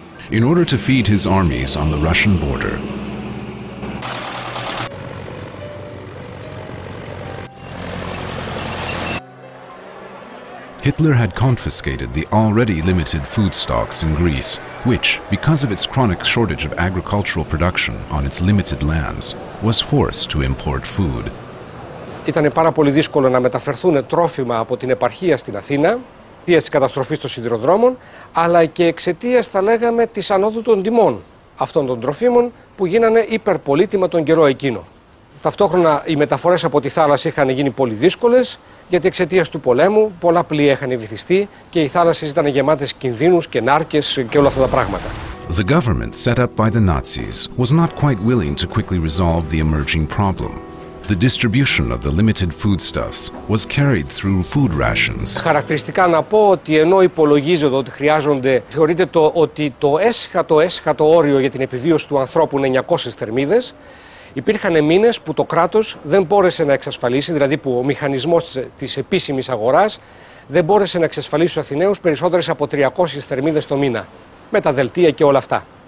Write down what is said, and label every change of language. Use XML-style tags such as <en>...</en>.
<en>In order to feed his armies on the Russian border, Hitler had confiscated the already limited food stocks in Greece, which, because of its chronic shortage of agricultural production on its limited lands, was forced to import food.</en> <el>Ήταν πάρα πολύ δύσκολο να μεταφερθούν τρόφιμα από την επαρχία στην Αθήνα, εξαιτίας της καταστροφής των σιδηροδρόμων, αλλά και εξαιτίας, θα λέγαμε, της ανόδου των τιμών αυτών των τροφίμων που γίνανε υπερπολίτιμα τον καιρό εκείνο. Ταυτόχρονα, οι μεταφορές από τη θάλασσα είχαν γίνει πολύ δύσκολες, γιατί εξαιτίας του πολέμου πολλά πλοία είχαν βυθιστεί και οι θάλασσες ήταν γεμάτες κινδύνους και νάρκες και όλα αυτά τα πράγματα.</el> <en>The government set up by the Nazis was not quite willing to quickly resolve the emerging problem. The distribution of the limited foodstuffs was carried through food rations.</en> <el>Χαρακτηριστικά να πω ότι ενώ υπολογίζονται ότι χρειάζονται, θεωρείται ότι το έσχατο όριο για την επιβίωση του ανθρώπου είναι 900 θερμίδες, υπήρχαν μήνες που το κράτος δεν μπόρεσε να εξασφαλίσει, δηλαδή που ο μηχανισμός της επίσημης αγοράς δεν μπόρεσε να εξασφαλίσει στους Αθηναίους περισσότερες από 300 θερμίδες το μήνα, με τα δελτία και όλα αυτά.</el>